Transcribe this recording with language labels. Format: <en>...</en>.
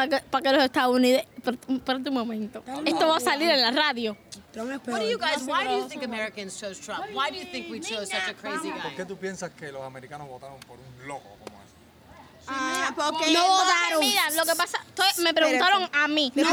<es>Para que los Espérate un momento. Esto va a salir en la radio.</es> <en>What do you guys, why do you think Americans chose Trump? Why do you think we chose such a crazy guy?</en> <es>¿Por qué tú piensas que los americanos votaron por un loco como ese? Porque no votaron. Mira, lo que pasa, me preguntaron a mí.</es>